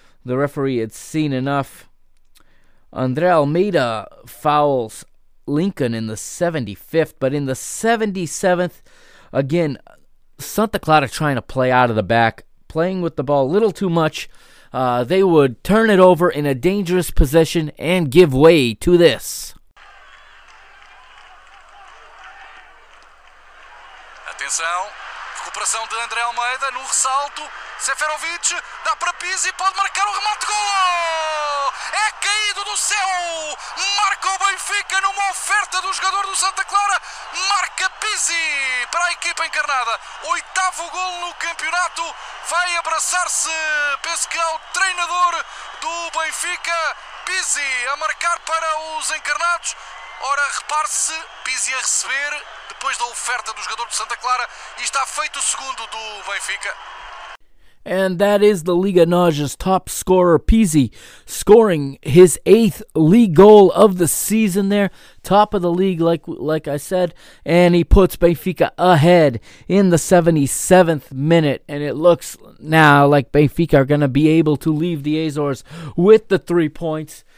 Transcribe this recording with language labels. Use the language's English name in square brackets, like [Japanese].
[English] The referee had seen enough. André Almeida fouls Lincoln in the 75th, but in the 77th, again, Santa Clara trying to play out of the back, playing with the ball a little too much. They would turn it over in a dangerous position and give way to this. [Portuguese] Atenção, recuperação de André Almeida no ressalto. Seferovic dá para Pizzi e pode marcar o remate. Gol! é caído do céu! Marca o Benfica numa oferta do jogador do Santa Clara, marca Pizzi para a equipa encarnada. Oitavo gol no campeonato, vai abraçar-se, penso que ao treinador do Benfica, Pizzi a marcar para os encarnados. Ora, repare-se, Pizzi a receber depois da oferta do jogador de Santa Clara e está feito o segundo do Benfica. [English] And that is the Liga NOS's top scorer, Pizzi, scoring his eighth league goal of the season there. Top of the league, like I said. And he puts Benfica ahead in the 77th minute. And it looks now like Benfica are going to be able to leave the Azores with the 3 points.